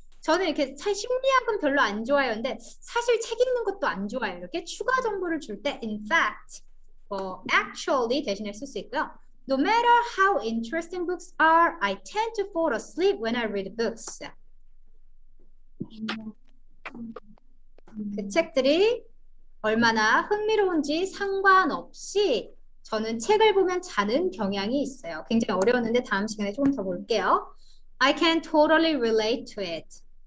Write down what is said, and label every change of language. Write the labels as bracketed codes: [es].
[ko] 저는 이렇게 심리학은 별로 안 좋아해요. 근데 사실 책 읽는 것도 안 좋아해요. 이렇게 추가 정보를 줄때 [en] In fact, [ko] 뭐 actually 대신에 쓸수 있고요. [en] No matter how interesting books are, I tend to fall asleep when I read books. [ko] 그 책들이 얼마나 흥미로운지 상관없이 저는 책을 보면 자는 경향이 있어요. 굉장히 어려웠는데 다음 시간에 조금 더 볼게요. [en] I can totally relate to it.